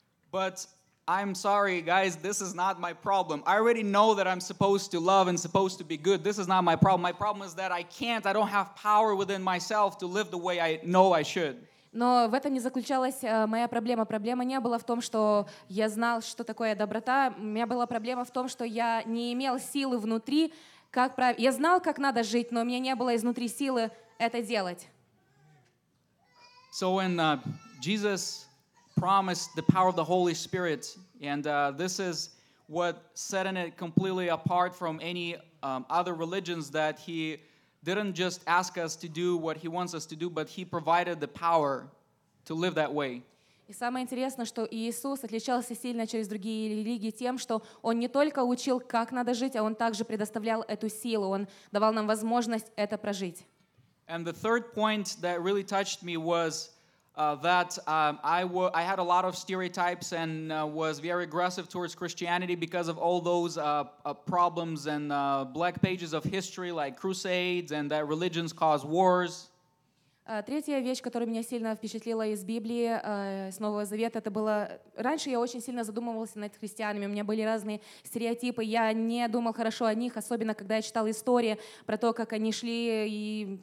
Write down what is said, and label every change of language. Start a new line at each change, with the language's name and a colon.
English: But I'm sorry, guys, this is not my problem. I already know that I'm supposed to love and supposed to be good. This is not my problem. My problem is that I can't, I don't have power within myself to live the way I know I should.
Russian: Но в этом не заключалась моя проблема. Проблема не была в том, что я знал, что такое доброта. У меня была проблема в том, что я не имел силы внутри. Как я знал, как надо жить, но у меня не было изнутри силы это делать.
English: So when Jesus promised the power of the Holy Spirit, and this is what setting it completely apart from any other religions, that he didn't just ask us to do what he wants us to do, but he provided the power to live that way.
Russian: И самое интересное, что Иисус отличался сильно через другие религии тем, что он не только учил, как надо жить, а он также предоставлял эту силу, он давал нам возможность это прожить.
English: And the third point that really touched me was I had a lot of stereotypes and was very aggressive towards Christianity because of all those problems and black pages of history, like crusades and that religions cause wars.
Russian: Третья вещь, которая меня сильно впечатлила из Библии, с Нового Завета, это было... Раньше я очень сильно задумывался над христианами, у меня были разные стереотипы, я не думал хорошо о них, особенно когда я читал истории про то, как они шли и...